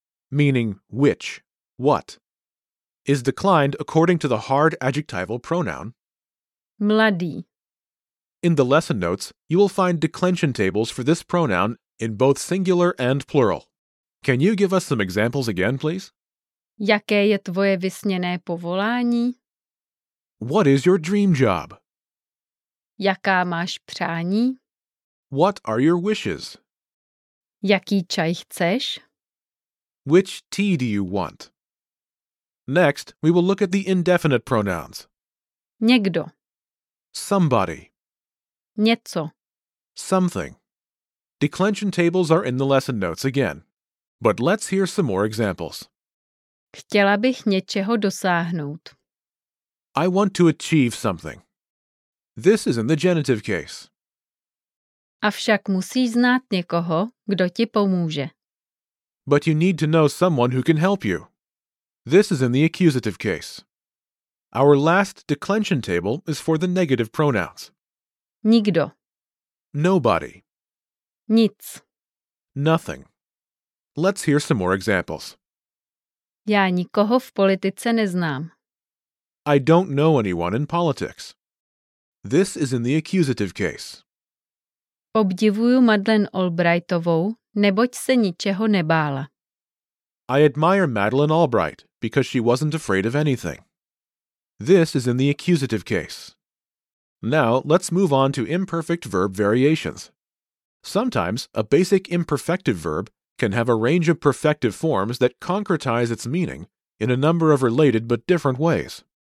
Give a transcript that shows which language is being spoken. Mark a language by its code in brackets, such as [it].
[en] meaning which, what, is declined according to the hard adjectival pronoun [cs] mladý. [en] In the lesson notes, you will find declension tables for this pronoun in both singular and plural. Can you give us some examples again, please? [cs] Jaké je tvoje vysněné povolání? [en] What is your dream job? [cs] Jaká máš přání? [en] What are your wishes? [cs] Jaký čaj chceš? [en] Which tea do you want? Next, we will look at the indefinite pronouns. [cs] Někdo. [en] Somebody. [cs] Něco. [en] Something. Declension tables are in the lesson notes again. But let's hear some more examples. [cs] Chtěla bych něčeho dosáhnout. [en] I want to achieve something. This is in the genitive case. [cs] Avšak musíš znát někoho, kdo ti pomůže. [en] But you need to know someone who can help you. This is in the accusative case. Our last declension table is for the negative pronouns. [cs] Nikdo. [en] Nobody. [cs] Nic. [en] Nothing. Let's hear some more examples. [cs] Já nikoho v politice neznám. [en] I don't know anyone in politics. This is in the accusative case. [cs] Obdivuju Madeleine Albrightovou, neboť se ničeho nebála. [en] I admire Madeleine Albright because she wasn't afraid of anything. This is in the accusative case. Now, let's move on to imperfect verb variations. Sometimes, a basic imperfective verb can have a range of perfective forms that concretize its meaning in a number of related but different ways.